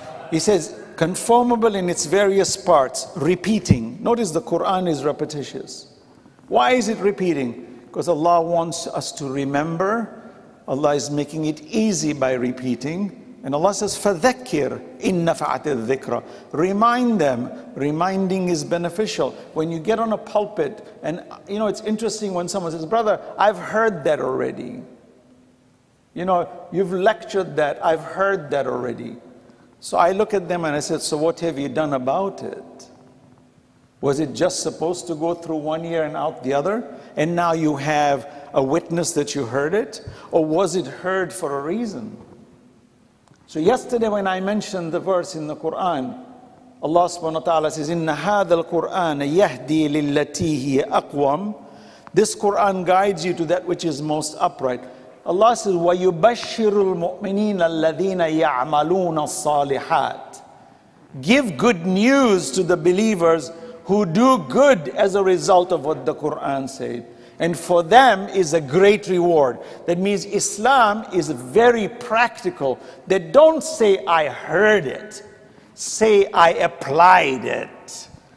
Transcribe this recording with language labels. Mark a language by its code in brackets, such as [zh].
[en] He says, conformable in its various parts, repeating. Notice the Quran is repetitious. Why is it repeating? Because Allah wants us to remember. Allah is making it easy by repeating. And Allah says, [ar] فَذَكِّرْ إِنَّ فَعَتِ الذِّكْرَ. [en] Remind them. Reminding is beneficial. When you get on a pulpit, and you know, it's interesting when someone says, brother, I've heard that already. You know, you've lectured that, I've heard that already. So I look at them and I said, so what have you done about it? Was it just supposed to go through one ear and out the other? And now you have a witness that you heard it? Or was it heard for a reason? So yesterday when I mentioned the verse in the Quran, Allah subhanahu wa ta'ala says, [ar] إِنَّ هَذَا الْقُرْآنَ يَهْدِي لِلَّتِي هِيَ أَقْوَمُ. [en] This Quran guides you to that which is most upright. Allah says, [ar] وَيُبَشِّرُ الْمُؤْمِنِينَ الَّذِينَ يَعْمَلُونَ الصَّالِحَاتِ. [en] Give good news to the believers who do good as a result of what the Quran said. And for them is a great reward. That means Islam is very practical. They don't say, I heard it. Say, I applied it.